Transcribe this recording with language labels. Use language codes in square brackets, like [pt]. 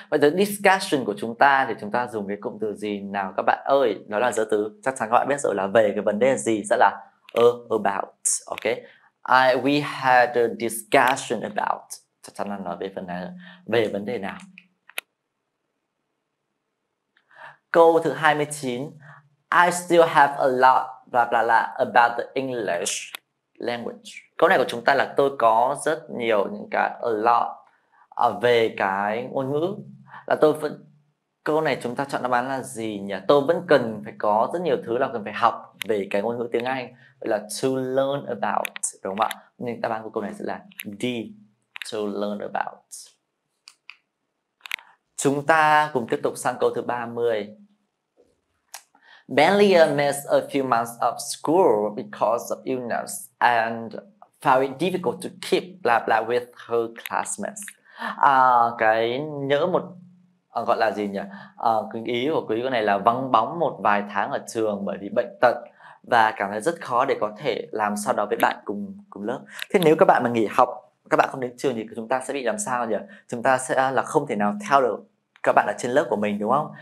[vi] Vậy từ discussion của chúng ta thì chúng ta dùng cái cụm từ gì nào các bạn ơi? Đó là giới từ, chắc chắn các bạn biết rồi, là về cái vấn đề gì, sẽ là about. [en] Ok, we had a discussion about, [vi] chắc chắn là nói về phần này, về vấn đề nào. Câu thứ 29, [en] I still have a lot blah blah blah about the English language. [vi] Câu này của chúng ta là tôi có rất nhiều những cái a lot về cái ngôn ngữ. Là tôi vẫn, câu này chúng ta chọn đáp án là gì nhỉ? Tôi vẫn cần phải có rất nhiều thứ là cần phải học về cái ngôn ngữ tiếng Anh, gọi là [en] to learn about, [vi] đúng không ạ? Nên đáp án của câu này sẽ là D, [en] to learn about. [vi] Chúng ta cùng tiếp tục sang câu thứ 30. [en] Bentley missed a few months of school because of illness and found it difficult to keep blah blah with her classmates. [vi] Cái nhớ một gọi là gì nhỉ? Cái ý của quý cô này là vắng bóng một vài tháng ở trường bởi vì bệnh tật và cảm thấy rất khó để có thể làm sao đó với bạn cùng lớp. Thế nếu các bạn mà nghỉ học, các bạn không đến trường thì chúng ta sẽ bị làm sao nhỉ? Chúng ta sẽ là không thể nào theo được các bạn ở trên lớp của mình, đúng không?